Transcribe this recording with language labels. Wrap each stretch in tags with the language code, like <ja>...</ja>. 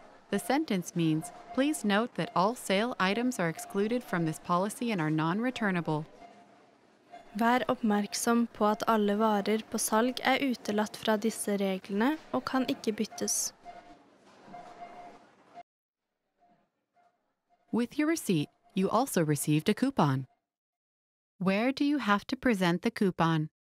<en>The sentence means, please note that all sale items are excluded from this policy and are non-returnable.</en> <no>Vær oppmerksom på at alle varer på salg utelatt fra disse reglene og kan ikke byttes.</no> <en>With your receipt, you also received a coupon. Where do you have to present the coupon?</en>